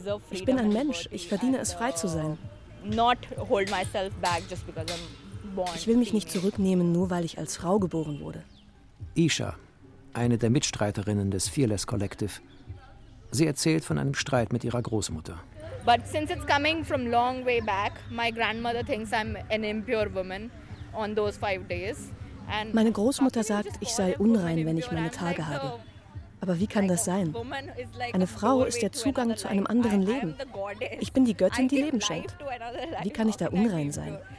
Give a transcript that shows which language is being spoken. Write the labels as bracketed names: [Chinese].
[German] Ich bin ein Mensch, ich verdiene es, frei zu sein. [English] Not hold myself back just because I'm born. [German] Ich will mich nicht zurücknehmen, nur weil ich als Frau geboren wurde. Isha, eine der Mitstreiterinnen des Fearless Collective. Sie erzählt von einem Streit mit ihrer Großmutter. [English] But since it's coming from long way back, my grandmother thinks I'm an impure woman on those 5 days. [German] Meine Großmutter sagt, ich sei unrein, wenn ich meine Tage habe. Aber wie kann das sein? Eine Frau ist der Zugang zu einem anderen Leben. Ich bin die Göttin, die Leben schenkt. Wie kann ich da unrein sein?